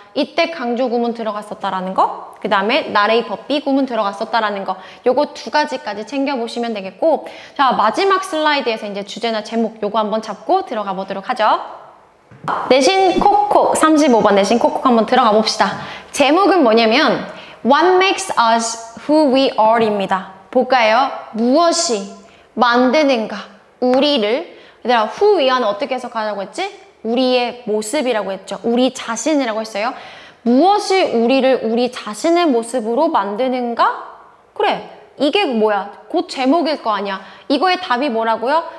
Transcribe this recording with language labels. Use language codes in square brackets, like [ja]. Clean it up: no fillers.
[ko] 이때 강조 구문 들어갔었다라는 거, 그 다음에 나레이 법비 구문 들어갔었다라는 거, 요거 두 가지까지 챙겨보시면 되겠고, 자, 마지막 슬라이드에서 이제 주제나 제목 요거 한번 잡고 들어가 보도록 하죠. 내신 콕콕, 35번 내신 콕콕 한번 들어가 봅시다. 제목은 뭐냐면 [en] What makes us who we are 입니다. [ko] 볼까요? 무엇이 만드는가 우리를. 얘들아, [en] who we are [ko] 는 어떻게 해석하라고 했지? 우리의 모습이라고 했죠. 우리 자신이라고 했어요. 무엇이 우리를 우리 자신의 모습으로 만드는가? 그래, 이게 뭐야? 곧 제목일 거 아니야. 이거의 답이 뭐라고요?